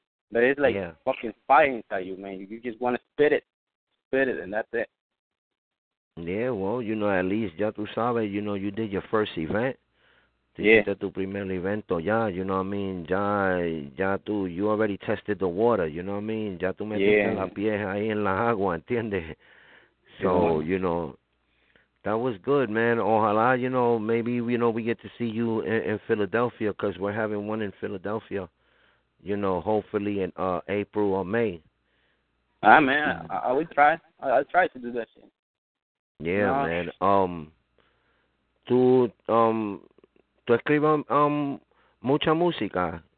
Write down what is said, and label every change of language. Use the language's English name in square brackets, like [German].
[English] But it's like fucking fire inside you, man. You just want to spit it, and that's it. Yeah, well, you know, at least [Spanish] ya tú sabes, [English] you know, you did your first event. Yeah. [Spanish] Tu primer evento ya, [English] you know what I mean? [Spanish] Ya tú, [English] you already tested the water, you know what I mean? [Spanish] Ya tú metiste la pie ahí en la agua, ¿entiendes? [English] So, you know, that was good, man. Ojalá, you know, maybe, you know, we get to see you in Philadelphia because we're having one in Philadelphia, you know, hopefully in April or May. Ah, man, I'll try to do that shit. Yeah, man. [Spanish] Tú escribes mucha música.